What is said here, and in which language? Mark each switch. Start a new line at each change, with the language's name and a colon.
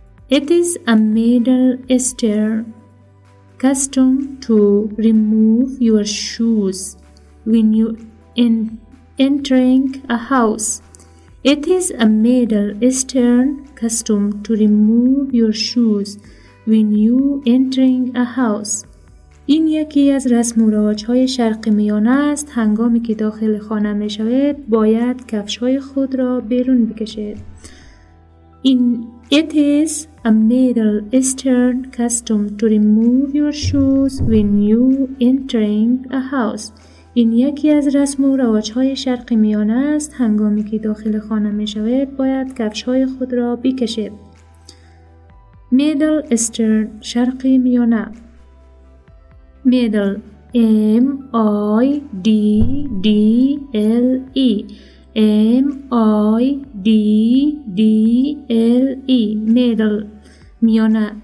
English: It is a Middle Eastern custom to remove your shoes when you entering a house. It is a Middle Eastern custom to remove your shoes when you entering a house.
Persian: این یکی از رسم و رواج های شرق میانه است. هنگامی که داخل خانه می شوید، باید کفش های خود را بیرون بکشید.
English: It is a Middle Eastern custom to remove your shoes when you entering a house.
Persian: این یکی از رسم و رواج های شرق میانه است. هنگامی که داخل خانه می شوید، باید کفش های خود را بکشید.
English: Middle Eastern،
Persian: شرق میانه.
English: Middle، M-I-D-D-L-E، M-I-D-D-L-E، Middle،
Persian: میانه.